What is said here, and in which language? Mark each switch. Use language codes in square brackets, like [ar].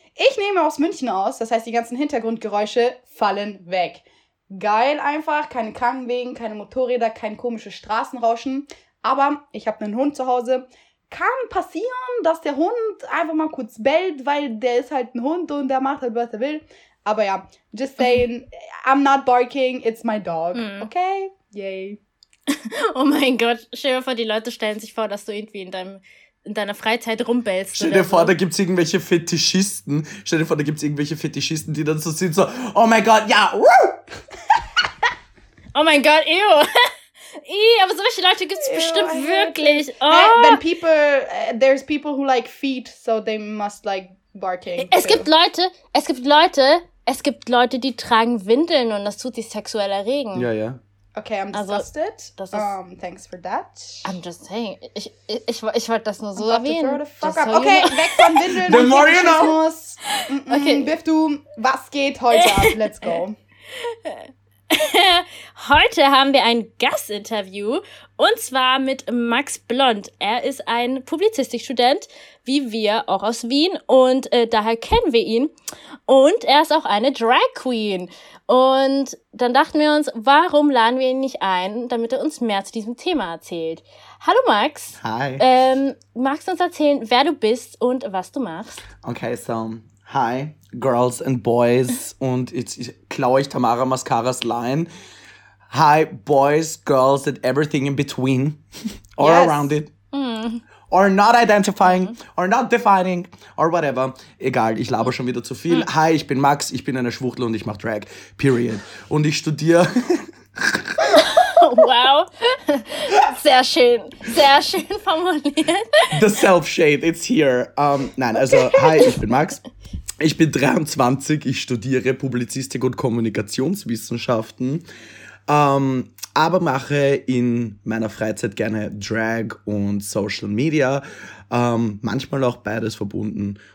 [de] Ich nehme aus München aus, das heißt, die ganzen Hintergrundgeräusche fallen weg. Geil einfach, keine Krankenwagen, keine Motorräder, kein komisches Straßenrauschen. Aber ich habe einen Hund zu Hause. Kann passieren, dass der Hund einfach mal kurz bellt, weil der ist halt ein Hund und der macht halt, was er will. Aber ja, [en] just saying, I'm not barking, it's my dog, okay? Yay. [de] Oh mein Gott, stell dir vor, die Leute stellen sich vor, dass du irgendwie in deiner Freizeit rumbellst. Stell dir vor, da gibt's irgendwelche Fetischisten. Stell dir vor, da gibt's irgendwelche Fetischisten, die dann so sind, so, oh mein Gott, ja, woo! Oh mein Gott, ew. aber solche Leute gibt's bestimmt wirklich. Oh. [en] When people, there's people who like feet, so they must like barking. [de] Es gibt Leute, die tragen Windeln und das tut sie sexuell erregen. Ja, ja. [en] Okay, I'm disgusted. Thanks for that. I'm just saying. [de] Ich wollte das nur so erwähnen. Okay, weg von Windeln. [en] The more you know. [de] Okay, Biftu, was geht heute ab? [en] Let's go. [de] Heute haben wir ein Gastinterview und zwar mit Max Blond. Er ist ein Publizistikstudent, wie wir, auch aus Wien und daher kennen wir ihn. Und er ist auch eine Drag Queen. Und dann dachten wir uns, warum laden wir ihn nicht ein, damit er uns mehr zu diesem Thema erzählt. Hallo Max. Hi. Magst du uns erzählen, wer du bist und was du machst? Okay, so, hi. Girls and Boys, und jetzt klaue ich Tamara Mascaras Line. [en] Hi, Boys, Girls and everything in between. Or yes. Around it. Mm. Or not identifying, or not defining, or whatever. [de] Egal, ich laber schon wieder zu viel. Mm. Hi, ich bin Max, ich bin eine Schwuchtel und ich mache Drag. Period. Und ich studiere... Wow. Sehr schön. Sehr schön formuliert. [en] The self-shade, it's here. [de] Nein, also, hi, ich bin Max. Ich bin 23, ich studiere Publizistik und Kommunikationswissenschaften, aber mache in meiner Freizeit gerne Drag und Social Media, manchmal auch beides verbunden.